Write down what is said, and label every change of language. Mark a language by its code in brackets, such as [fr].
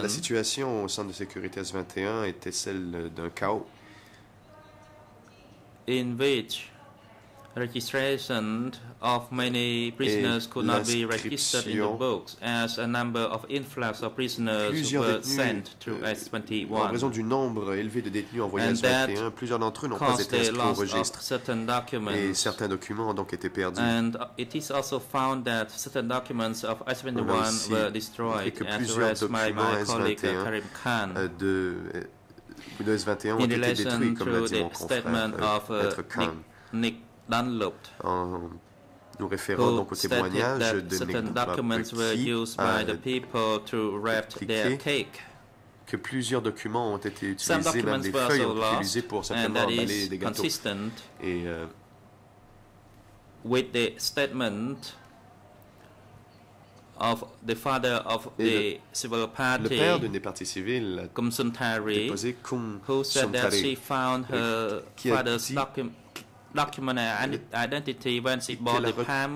[fr] La situation au centre de sécurité S21 était celle d'un chaos. [en] In which registration of many prisoners could not be registered in the books as a number of influx of prisoners were sent to S21. [fr] En raison du nombre élevé de détenus envoyés à S21, plusieurs d'entre eux n'ont pas été inscrits au registre. [en] Certain documents. [fr] Et certains documents ont donc été perdus. [en] And it is also found that certain documents of S21 were destroyed, as well as my colleague Karim Khan. [fr] De S21 ont été détruits, comme l'a dit mon confrère, Nick Dunlop, nous référons donc au témoignage de [en] certain documents were used by the people to wrap their cake. [fr] Que plusieurs documents ont été utilisés, même des feuilles ont été utilisées pour simplement emballer des gâteaux. [en] Consistent [fr] et [en] with the statement of the father of the civil party, [fr] le père d'une des parties civiles, [en] Kum Suntari, who said that she found her father's document identity when she bought the palm